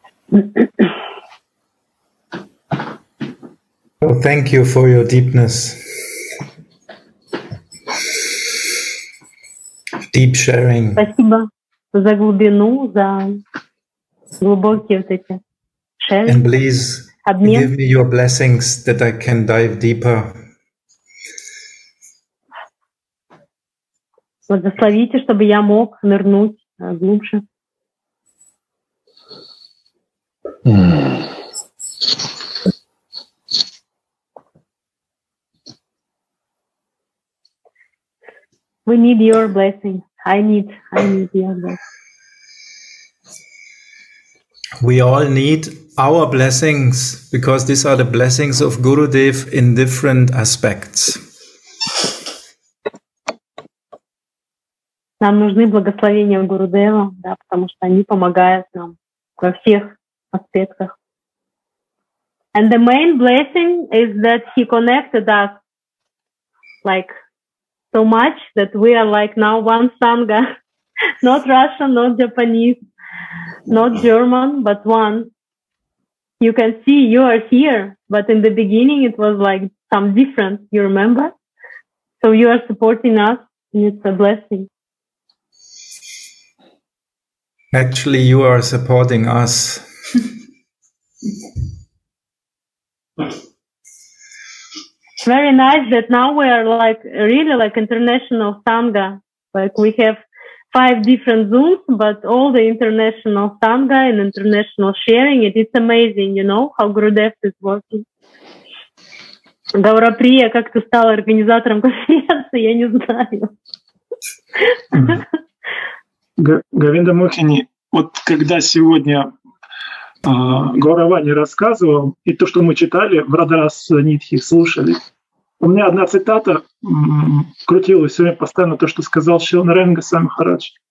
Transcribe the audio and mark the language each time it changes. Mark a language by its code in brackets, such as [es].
[en] Well, thank you for your deepness. Deep sharing. [ru] Спасибо за глубину, за глубокие вот эти [en] sharing. And please give me your blessings that I can dive deeper. [ru] Благословите, чтобы я мог нырнуть глубже. [en] We need your blessing. I need your blessing. We all need our blessings, because these are the blessings of Gurudev in different aspects. [ru] Нам нужны благословения Гурудева, да, потому что они помогают нам во всех аспектах. [en] And the main blessing is that he connected us like so much that we are like now one sangha, not Russian, not Japanese, not German, but one. You can see you are here, but in the beginning it was like some different, you remember? So you are supporting us, and it's a blessing. Actually, you are supporting us. [ru] Спасибо. [en] It's very nice that now we are like really like international sangha. Like we have 5 different zooms, but all the international sangha and international sharing. It is amazing, you know, how Gurudev is working. [ru] Гавраприя как-то стала организатором конференции, я не знаю. Говинда Мохини, вот когда сегодня Гауравани рассказывал, и то, что мы читали, в Радарас Нитхи слушали, у меня одна цитата крутилась все время постоянно, то, что сказал Шиланаренга Сам Харадж.